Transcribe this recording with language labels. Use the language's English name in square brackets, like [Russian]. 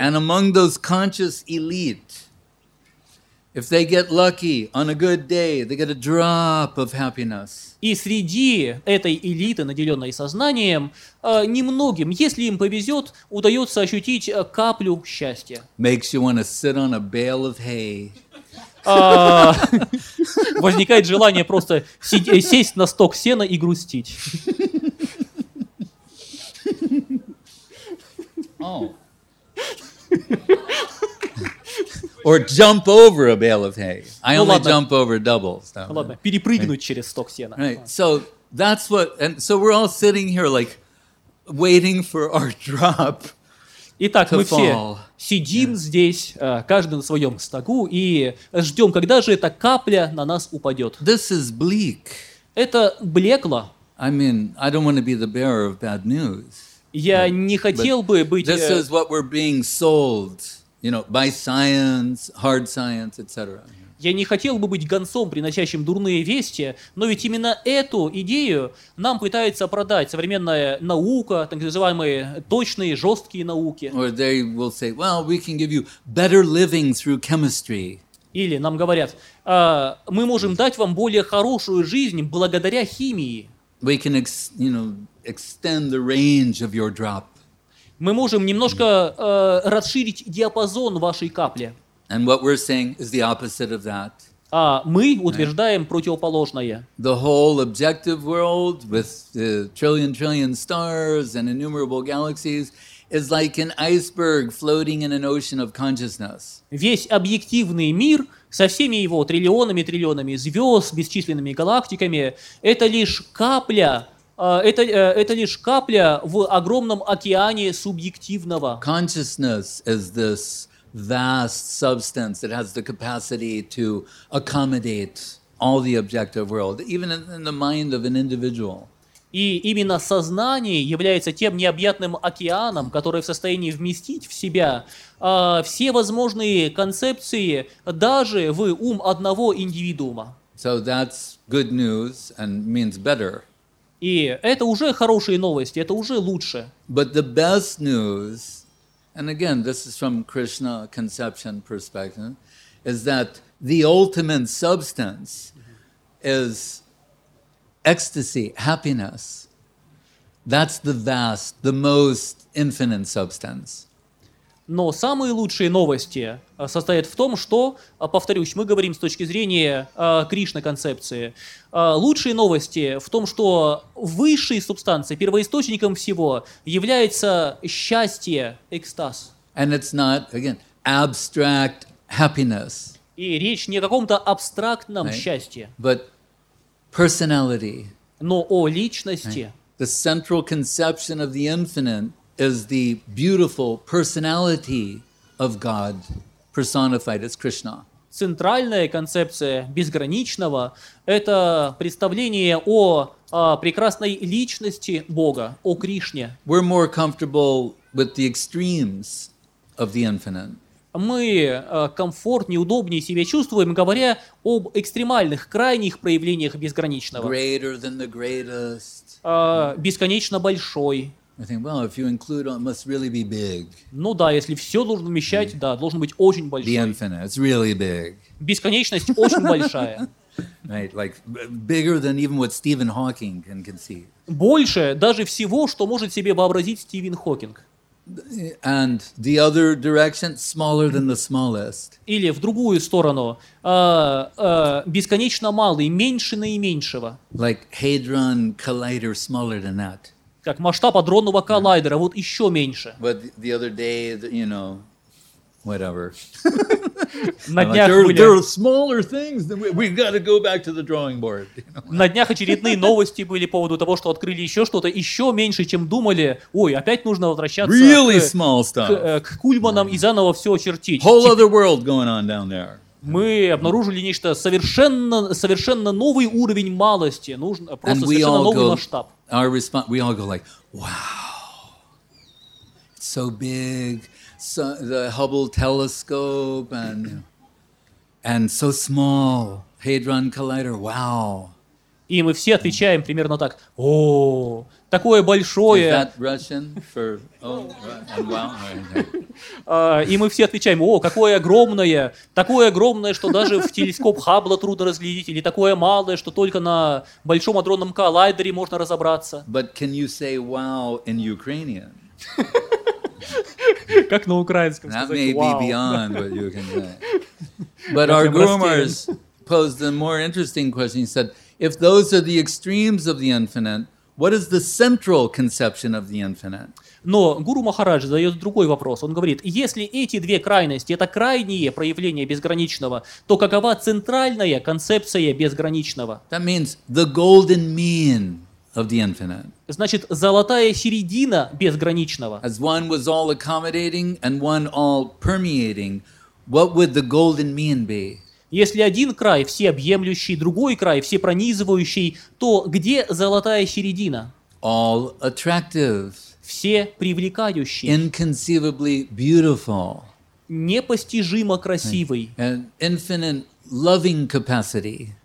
[English] And among those conscious elite, If they get lucky on a good day, they get a drop of happiness. [Russian] И среди этой элиты, наделенной сознанием, немногим, если им повезет, удается ощутить каплю счастья. [English] Makes you want to sit on a bale of hay. [Russian] Возникает желание просто сесть на стог сена и грустить. [English] Oh. Or jump over a bale of hay. I only jump over doubles. [Russian] Ладно, перепрыгнуть через стог сена. [English] Right. So that's what, and so we're all sitting here like waiting for our drop. [Russian] Итак, [English] to [Russian] мы [English] fall. [Russian] Все сидим [English] yeah. [Russian] здесь, каждый на своем стогу и ждем, когда же эта капля на нас упадет. [English] This is bleak. [Russian] Это блекло. [English] I mean, I don't want to be the bearer of bad news. [Russian] Я не хотел бы быть. [English] This is what we're being sold. You know, by science, hard science, etc. [Russian] Я не хотел бы быть гонцом, приносящим дурные вести, но ведь именно эту идею нам пытается продать современная наука, так называемые точные, жесткие науки. [English] Or they will say, well, we can give you better living through chemistry. [Russian] Или нам говорят, мы можем дать вам более хорошую жизнь благодаря химии. [English] We can, you know, extend the range of your drop. [Russian] Мы можем немножко расширить диапазон вашей капли. [English] And what we're saying is the opposite of that. [Russian] А мы утверждаем [English] right. [Russian] противоположное. [English] The whole objective world with the trillion stars and innumerable galaxies is like an iceberg floating in an ocean of consciousness. [Russian] Весь объективный мир со всеми его триллионами звезд, бесчисленными галактиками — это лишь капля. Это лишь капля в огромном океане субъективного. [English] Consciousness is this vast substance that has the capacity to accommodate all the objective world, even in the mind of an individual. [Russian] И именно сознание является тем необъятным океаном, который в состоянии вместить в себя все возможные концепции даже в ум одного индивидуума. [English] So that's good news and means better. [Russian] И это уже хорошие новости, это уже лучше. [English] But the best news, and again, this is from Krishna conception perspective, is that the ultimate substance is ecstasy, happiness. That's the vast, the most infinite substance. [Russian] Но самые лучшие новости состоят в том, что, повторюсь, мы говорим с точки зрения Кришна-концепции, лучшие новости в том, что высшей субстанцией, первоисточником всего, является счастье, экстаз. [English] And it's not, again, abstract happiness. [Russian] И речь не о каком-то абстрактном [English] right? [Russian] счастье. [English] But personality. [Russian] Но о личности. [English] Right? The central conception of the infinite is the beautiful personality of God personified as Krishna. [Russian] Центральная концепция безграничного — это представление о прекрасной личности Бога, о Кришне. [English] We're more comfortable with the extremes of the infinite. [Russian] Мы комфортнее, удобнее себя чувствуем, говоря об экстремальных, крайних проявлениях безграничного. [English] Greater than the greatest. [Russian] Бесконечно большой. [English] I think, well, if you include, it must really be big. [Russian] Ну да, если все должно вмещать, да, должен быть очень большой. [English] The infinite, it's really big. [Russian] Бесконечность очень большая. [English] Right, like bigger than even what Stephen Hawking can conceive. [Russian] Больше даже всего, что может себе вообразить Стивен Хокинг. [English] And the other direction, smaller than the smallest. [Russian] Или в другую сторону, бесконечно малый, меньше наименьшего. [English] Like Hadron Collider, smaller than that. [Russian] Как масштаб адронного коллайдера, вот еще меньше. [English] But the other day, you know, whatever. [Russian] На днях были... [English] There are smaller things, than we've got to go back to the drawing board. [Russian] На днях очередные новости были по поводу того, что открыли еще что-то, еще меньше, чем думали. Ой, опять нужно возвращаться [English] really small stuff. [Russian] К кульманам и заново все очертить. [English] Whole other world going on down there. [Russian] Мы обнаружили нечто совершенно новый уровень малости, нужно просто совершенно новый масштаб. [English] Our response, we all go like, wow, it's so big, so, the Hubble telescope, and so small, Hadron Collider, wow. [Russian] И мы все отвечаем примерно так: «О, такое большое!» И мы все отвечаем: «О, какое огромное! Такое огромное, что даже в телескоп Хаббла трудно разглядеть, или такое малое, что только на большом адронном коллайдере можно разобраться». [English] But can you say wow in Ukrainian? [Russian] Как на украинском [English] that [Russian] сказать [English] may wow. be beyond what you can say. But our groomers posed a more interesting question. He said, if those are the extremes of the infinite, what is the central conception of the infinite? [Russian] Но Гуру Махарадж задает другой вопрос. Он говорит, если эти две крайности – это крайние проявления безграничного, то какова центральная концепция безграничного? [English] That means the golden mean of the infinite. [Russian] Значит, золотая середина безграничного. [English] As one was all accommodating and one all permeating, what would the golden mean be? [Russian] Если один край всеобъемлющий, другой край всепронизывающий, то где золотая середина? [English] All attractive. [Russian] Все привлекающие. [English] Inconceivably beautiful. [Russian] Непостижимо красивый. [English] An infinite loving capacity.